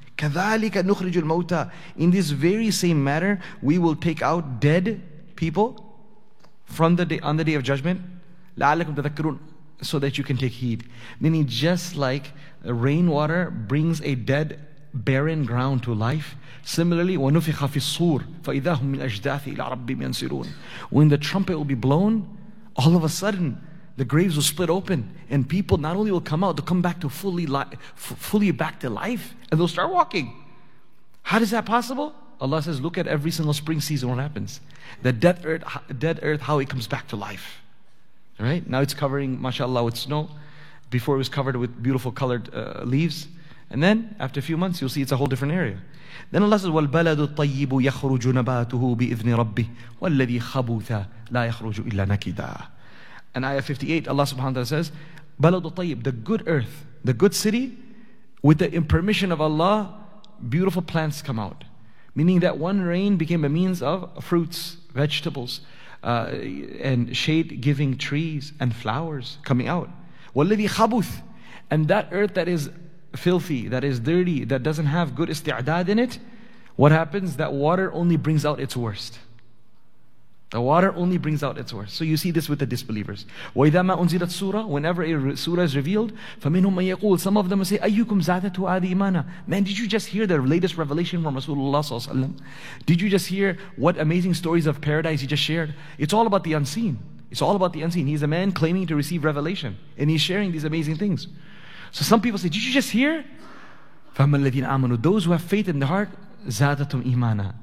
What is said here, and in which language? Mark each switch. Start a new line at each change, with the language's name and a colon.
Arabic: كَذَلِكَ نُخْرِجُ الْمَوْتَى.
English: In this very same matter, we will take out dead people from the day, on the day of judgment.
Arabic: لَعَلَّكُمْ تَذَكَّرُونَ.
English: So that you can take heed. Meaning just like rainwater brings a dead, barren ground to life. Similarly,
Arabic: وَنُفِخَ فِي الصُّورِ فَإِذَا هُمْ مِنْ أَجْدَاثِ إِلَى رَبِّهِمْ يَنْسِلُونَ.
English: When the trumpet will be blown, all of a sudden, the graves will split open, and people not only will come out, they'll come back to fully back to life, and they'll start walking. How is that possible? Allah says, look at every single spring season, what happens? The dead earth, how it comes back to life. Right? Now it's covering, mashallah, with snow. Before it was covered with beautiful colored leaves, And then after a few months, you'll see it's a whole different area. Then Allah says,
Arabic: وَالْبَلَدُ الطَّيِّبُ يَخْرُجُ نَبَاتُهُ بِإِذْنِ رَبِّهِ وَالَّذِي خَبُثَ لَا يَخْرُجُ إِلَّا نَكِدًا.
English: And ayah 58, Allah subhanahu wa ta'ala says,
Arabic: بَلَدُ الطَّيِّبُ,
English: the good earth, the good city, with the permission of Allah, beautiful plants come out. Meaning that one rain became a means of fruits, vegetables, and shade-giving trees and flowers coming out.
Arabic: وَالَّذِي خَبُثُ,
English: and that earth that is filthy, that is dirty, that doesn't have good isti'adad in it, what happens? That water only brings out its worst. The water only brings out its worst. So you see this with the disbelievers.
Arabic: وَإِذَا مَا أُنزِلَتْ سُورَةٌ,
English: whenever a surah is revealed,
Arabic: فَمِنْهُمْ مَنْ يَقُولُ,
English: some of them will say,
Arabic: أَيُّكُمْ زَادَتْهُ هَذِهِ إِيمَانًا.
English: Man, did you just hear the latest revelation from Rasulullah ﷺ? Did you just hear what amazing stories of paradise he just shared? It's all about the unseen. It's all about the unseen. He's a man claiming to receive revelation, and he's sharing these amazing things. So some people say, did you just hear?
Arabic: فَمَا الَّذِينَ آمَنُوا,
English: those who have faith in the heart,
Arabic: زَادَتُمْ إِيمَانًا.